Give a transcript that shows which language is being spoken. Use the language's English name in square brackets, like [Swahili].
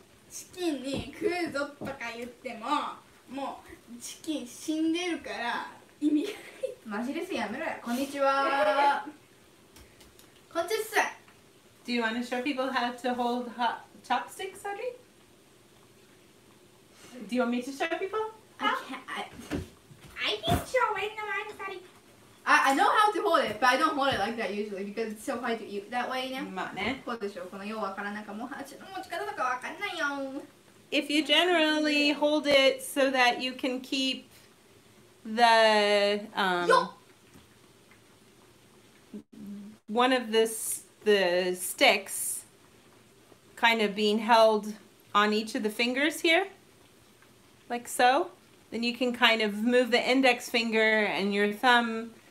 [Japanese] チキンに食うぞとか言っても、もうチキン死んでるから意味がない。マジレスやめろよ。こんにちは。こんにちは。 [English] Do you want to show people how to hold hot chopsticks, Audrey? Do you want me to show people? I can't. I can show in the mind, buddy. I know how to hold it, but I don't hold it like that usually because it's so hard to eat that way, ね。 [Japanese] まあね。こうでしょう。このようわからなんかもう箸の持ち方とかわかんないよ。 [English] If you generally hold it so that you can keep the one of the sticks kind of being held on each of the fingers here, like so, then you can kind of move the index finger and your thumb.